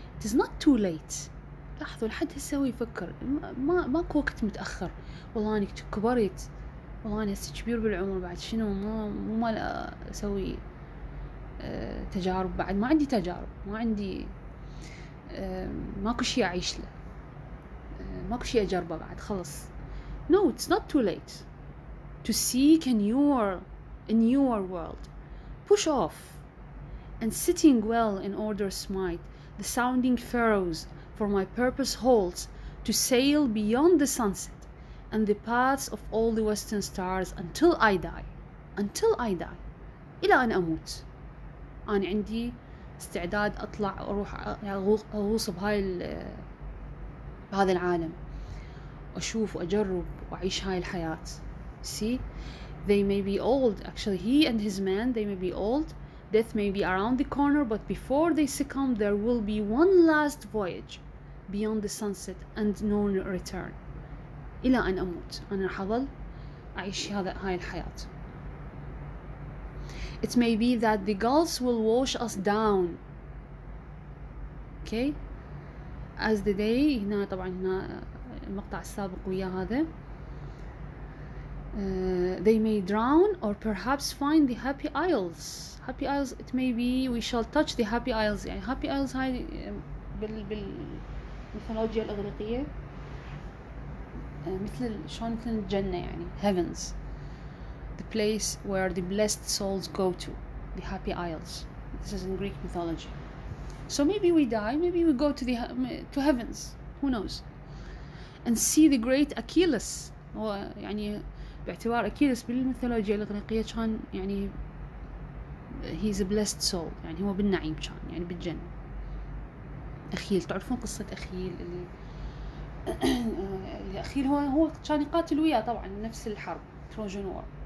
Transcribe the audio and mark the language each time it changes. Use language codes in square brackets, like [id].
[en] It is not too late. [ar] لاحظوا لحد هسه هو يفكر. ماكو وقت متأخر. والله أنا كبرت. والله أنا هسه كبير بالعمر بعد شنو مو مال أسوي تجارب بعد ما عندي تجارب ما عندي ماكو شيء أعيش له ماكو شيء أجربه بعد خلص. [en] No, it's not too late to seek a newer world. Push off and sitting well in order smite the sounding furrows for my purpose holds to sail beyond the sunset and the paths of all the western stars until I die. Until I die. [ar] إلى أن أموت. أنا عندي استعداد أطلع أروح أغوص بهذا العالم أشوف وأجرب وأعيش هاي الحياة. [en] See, they may be old. Actually, he and his man, they may be old. Death may be around the corner, but before they succumb, there will be one last voyage beyond the sunset and no return. [ar] إلى أن أموت أنا رح أظل أعيش هاي الحياة. [en] It may be that the gulls will wash us down. Okay? As the day, [ar] هنا طبعا هنا المقطع السابق ويا هذا. [en] They may drown or perhaps find the happy isles. Happy isles, it may be we shall touch the happy isles. [ar] يعني [en] happy isles [ar] هاي بالميثولوجيا الإغريقية. مثل الجنة يعني. [en] Heavens. The place where the blessed souls go to, the happy isles. This is in Greek mythology. So maybe we die, maybe we go to the heavens, who knows? And see the great Achilles. [ar] هو يعني باعتبار Achilles بالميثولوجيا الإغريقية كان يعني [en] he's a blessed soul. [ar] يعني هو بالنعيم كان يعني بالجنة. أخيل تعرفون قصة أخيل اللي أخيل هو كان يقاتل وياه طبعا نفس الحرب تروجن وور.